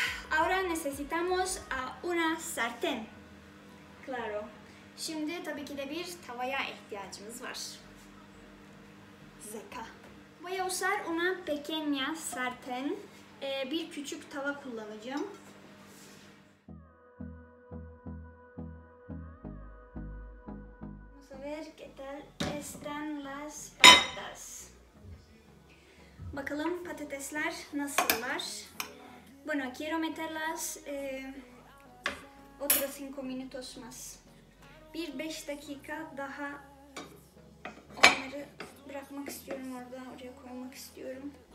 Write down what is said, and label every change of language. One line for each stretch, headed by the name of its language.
Spanish: Ahora necesitamos a una sartén. Claro.
Turkish: Şimdi tabii ki de bir tavaya ihtiyacımız var. Zeka.
Spanish: Voy a usar una pequeña sartén.
Turkish: Bir küçük tava kullanacağım.
Spanish: A ver qué tal están las patatas.
Turkish: Bakalım patatesler nasıllar.
Spanish: Bueno, quiero meterlas otros 5 minutos más.
Turkish: Bir 5 dakika daha onları bırakmak istiyorum orada, oraya koymak istiyorum.